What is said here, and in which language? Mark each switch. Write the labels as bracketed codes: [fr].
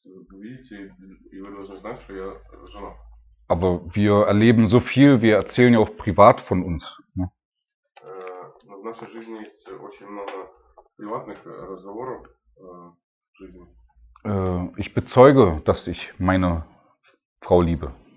[ru] видите, и вы должны знать, что я женат. [de] Aber wir erleben so viel, wir erzählen ja auch privat von uns. Ne? [ru] В нашей жизни есть очень много приватных разговоров в жизни. [de] Ich bezeuge, dass ich meine Frau liebe.